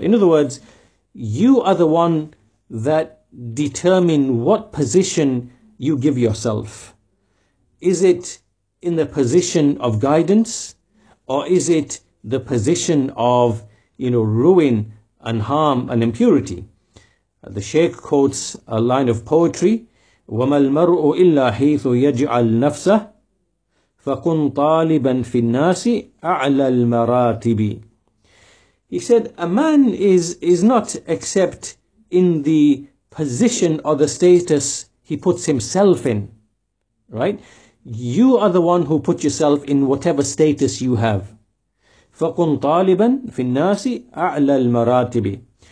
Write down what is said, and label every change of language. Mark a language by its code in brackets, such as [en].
[en] In other words, you are the one that determine what position you give yourself. Is it in the position of guidance, or is it the position of, you know, ruin and harm and impurity? The Sheikh quotes a line of poetry, [ar] وَمَا الْمَرْءُ إِلَّا حَيْثُ يَجْعَلْ نَفْسَهُ فَقُنْ طَالِبًا فِي النَّاسِ أَعْلَى الْمَرَاتِبِ. [en] He said, a man is not except in the position or the status he puts himself in, right? You are the one who put yourself in whatever status you have. [ar] فَقُنْ طَالِبًا فِي النَّاسِ أَعْلَى الْمَرَاتِبِ.